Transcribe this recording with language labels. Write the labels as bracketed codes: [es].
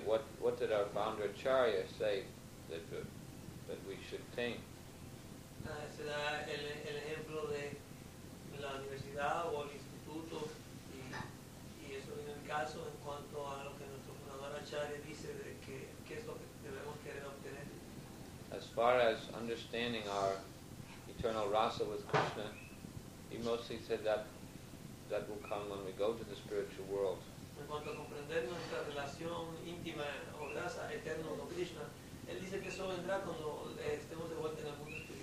[en] What did our founder Acharya say that we should think? [es] Se da el ejemplo de la universidad o el instituto y eso viene el caso en cuanto a lo que nuestro fundador Acharya dice de qué es lo que debemos querer obtener. [en] As far as understanding our eternal rasa with Krishna, he mostly said that will come when we go to the spiritual world. [es] En cuanto a comprender nuestra relación íntima o rasa eterna con Krishna, él dice que eso vendrá cuando estemos de vuelta en el mundo.